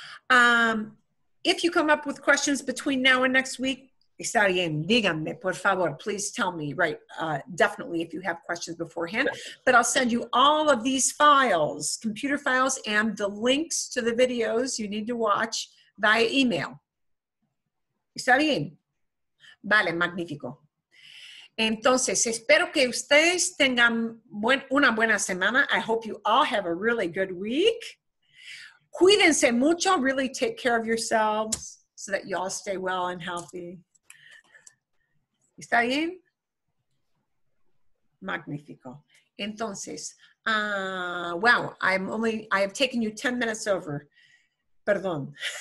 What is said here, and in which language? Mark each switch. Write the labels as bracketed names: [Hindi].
[English] If you come up with questions between now and next week, [Spanish] ¿está bien? Díganme, por favor. [English] Please tell me, right, definitely if you have questions beforehand. But I'll send you all of these files, computer files, and the links to the videos you need to watch via email. [Spanish] ¿Está bien? Vale, magnífico. Entonces, espero que ustedes tengan una buena semana. [English] I hope you all have a really good week. [Spanish] Cuídense mucho. [English] Really take care of yourselves so that y'all stay well and healthy. [Spanish] ¿Está bien? Magnífico. Entonces, [English] wow, I have taken you 10 minutes over. [Spanish] Perdón.